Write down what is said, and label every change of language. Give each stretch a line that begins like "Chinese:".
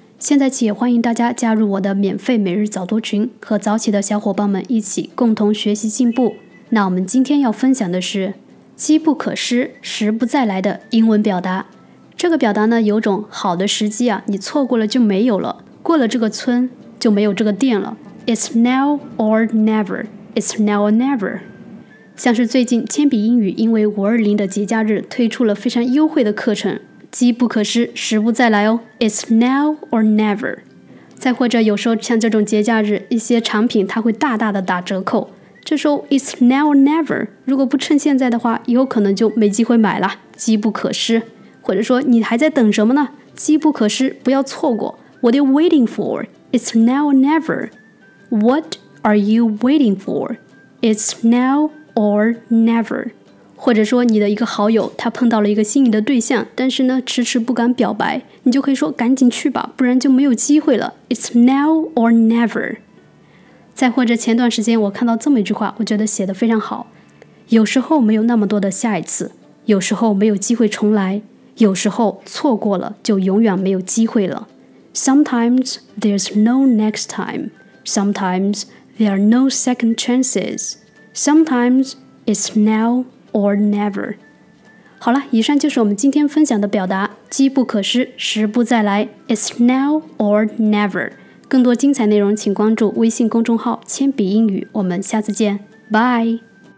Chinese: 现在起欢迎大家加入我的免费每日早读群，和早起的小伙伴们一起共同学习进步。那我们今天要分享的是机不可失，时不再来的英文表达。这个表达呢，有种好的时机啊，你错过了就没有了，过了这个村就没有这个店了。
English: It's now or never, it's now or never。
Chinese: 像是最近铅笔英语因为520的节假日推出了非常优惠的课程，机不可失，时不再来哦，
English: It's now or never。
Chinese: 再或者有时候像这种节假日，一些产品它会大大的打折扣，这时候
English: It's now or never，
Chinese: 如果不趁现在的话，以后可能就没机会买了，机不可失。或者说你还在等什么呢？机不可失，不要错过。
English: What are you waiting for? It's now or never. What are you waiting for? It's now or never。
Chinese: 或者说你的一个好友他碰到了一个心仪的对象，但是呢迟迟不敢表白，你就可以说赶紧去吧，不然就没有机会了，
English: It's now or never。
Chinese: 再或者前段时间我看到这么一句话，我觉得写得非常好，有时候没有那么多的下一次，有时候没有机会重来，有时候错过了就永远没有机会了。
English: Sometimes there's no next time. Sometimes there are no second chances. Sometimes it's now or never.
Chinese: 好了，以上就是我们今天分享的表达，机不可失，时不再来，
English: It's now or never.
Chinese: 更多精彩内容请关注微信公众号铅笔英语，我们下次见， Bye.